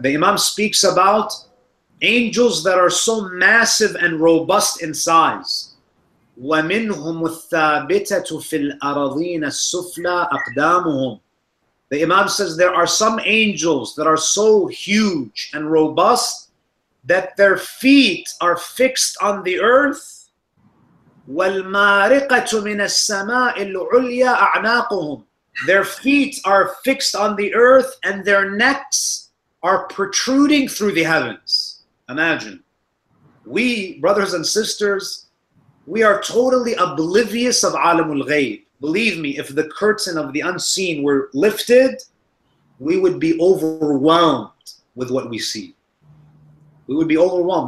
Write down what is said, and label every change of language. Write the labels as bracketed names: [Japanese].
[English] The Imam speaks about angels that are so massive and robust in size. [Arabic] وَمِنْهُمُ الثَّابِتَةُ فِي الْأَرَضِينَ السُّفْلَى أَقْدَامُهُمْ. [English] The Imam says there are some angels that are so huge and robust that their feet are fixed on the earth [Arabic] والمارقة من السماء العليا أعناقهم. [English] Their feet are fixed on the earth and their necks are protruding through the heavens. Imagine. We, brothers and sisters, we are totally oblivious of Alamul Ghayb. Believe me, if the curtain of the unseen were lifted, we would be overwhelmed with what we see. We would be overwhelmed.